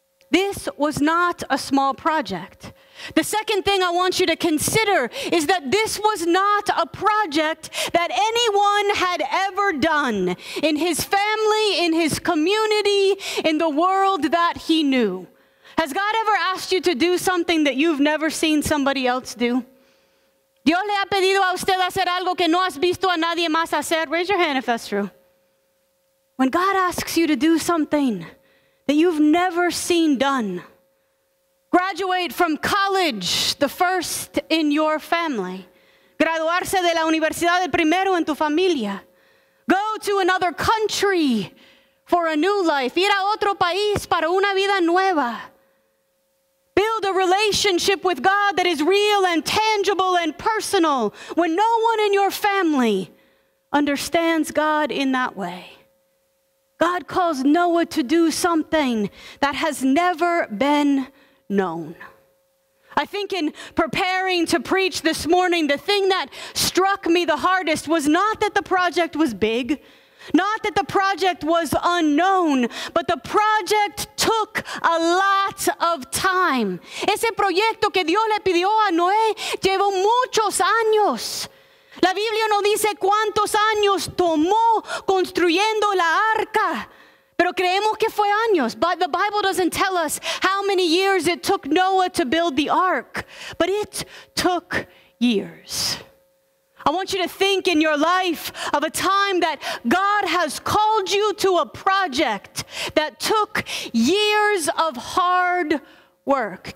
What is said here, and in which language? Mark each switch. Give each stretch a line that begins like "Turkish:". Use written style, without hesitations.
English: This was not a small project. The second thing I want you to consider is that this was not a project that anyone had ever done in his family, in his community, in the world that he knew. Has God ever asked you to do something that you've never seen somebody else do?
Spanish: Dios le ha pedido a usted hacer algo que no has visto a nadie más hacer.
English: Raise your hand if that's true. When God asks you to do something that you've never seen done, graduate from college, the first in your family,
Spanish: graduarse de la universidad, el primero en tu familia,
English: go to another country for a new life,
Spanish: ir a otro país para una vida nueva,
English: build a relationship with God that is real and tangible and personal when no one in your family understands God in that way. God calls Noah to do something that has never been known. I think in preparing to preach this morning, the thing that struck me the hardest was not that the project was big, not that the project was unknown, but the project took a lot of time.
Spanish: Ese proyecto que Dios le pidió a Noé llevó muchos años. La Biblia no dice cuántos años tomó construyendo la arca. Pero creemos que fue años.
English: But the Bible doesn't tell us how many years it took Noah to build the ark. But it took years. I want you to think in your life of a time that God has called you to a project that took years of hard work.